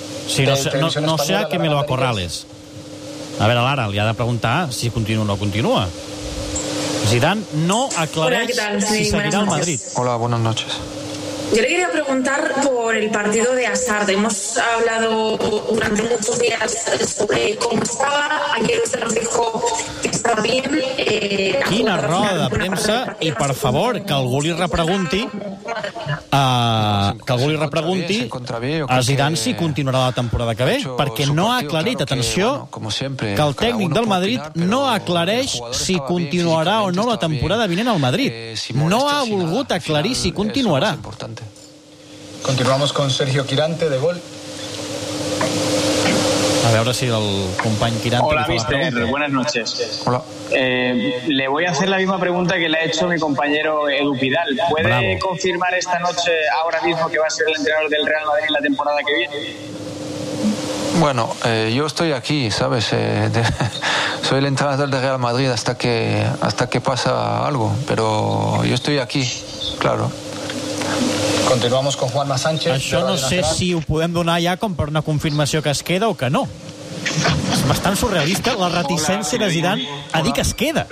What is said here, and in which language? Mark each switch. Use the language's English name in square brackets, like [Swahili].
[Spanish] Sí, no sea que me lo acorrales. [Catalan] A veure, Lara, li ha de preguntar si continua o no continua. Zidane no aclareix. Hola, sí, si seguirà al Madrid. [Spanish] Hola, buenas noches. Yo le quería preguntar por el partido de Hazard. Hemos hablado durante muchos días sobre cómo estaba. Ayer usted nos dijo que estaba bien. [Catalan] Quina roda de premsa. I, per favor, que algú li repregunti a Zidane si continuarà la temporada que ve, perquè no ha aclarit, atenció, que el tècnic del Madrid no aclareix si continuarà o no la temporada vinent al Madrid. No ha volgut aclarir si continuarà. [Spanish] Continuamos con Sergio Quirante, de gol. [Catalan] A veure si el company Quirante... [Spanish] Hola, mister, buenas noches. Hola. Le voy a hacer la misma pregunta que le ha hecho mi compañero Edu Pidal. ¿Puede Bravo. Confirmar esta noche, ahora mismo, que va a ser el entrenador del Real Madrid la temporada que viene? Bueno, yo estoy aquí, ¿sabes? Soy el entrenador del Real Madrid hasta que pasa algo, pero yo estoy aquí, claro. Continuamos con Juanma Sánchez. [Catalan] Això no sé si ho podem donar ja com per una confirmació que es queda o que no. És bastant surrealista la reticència de Zidane a dir que es queda.